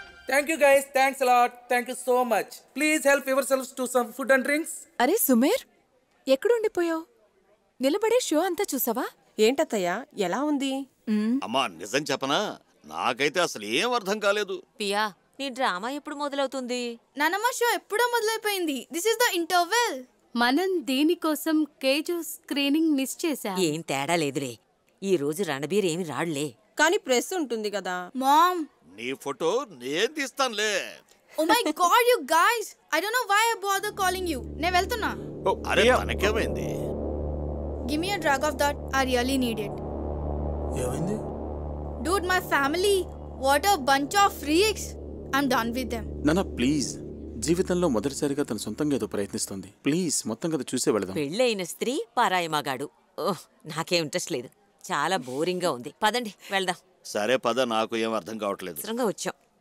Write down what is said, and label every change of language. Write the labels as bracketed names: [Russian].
[English] Thank you guys, thanks a lot, thank you so much. Please help yourselves to some food and drinks. [Telugu] Are Sumair, ఎక్కడ ఉండిపోయావు? నిలబడి show అంతా చూసావా? ఏంటత్తయ్యా, ఎలా ఉంది? అమ్మా నిజం చెప్పనా, నాకైతే అసలు ఏం అర్థం కాలేదు. పియా, నీ డ్రామా ఎప్పుడు మొదలవుతుంది? నానమ్మ షో ఎప్పుడో మొదలైపోయింది. [English] This is the interval. [Telugu] మనం దేనికోసం కేజో స్క్రీనింగ్ మిస్ చేశా? ఏం తేడా లేదురే, ఈ రోజు రణబీర్ ఏమి రాడులే. కానీ ప్రెస్ ఉంటుంది కదా. మామ్, నీ ఫోటో నేను తీస్తానులే. [English] Oh my god, you guys, I don't know why I bother calling you. [Telugu] నే వెళ్తున్నా. అరే తనకేమైంది? [English] Give me a drag of that, I really need it. [Telugu] ఏమైంది? [English] Dude, my family, what a bunch of freaks. I'm done with them. [Telugu] నన్న please, జీవితంలో మొదటిసారిగా తన సొంతంగా ఏదో ప్రయత్నిస్తుంది. ప్లీజ్ మొత్తం కదా చూసే వెళదాం. పెళ్ళైన స్త్రీ పారాయమగాడు. నాకే ఇంట్రెస్ట్ లేదు, చాలా బోరింగ్ గా ఉంది. పదండి వెళ్దాం. సరే పద, నాకు ఏం అర్థం కావట్లేదు. సరంగా వచ్చాం.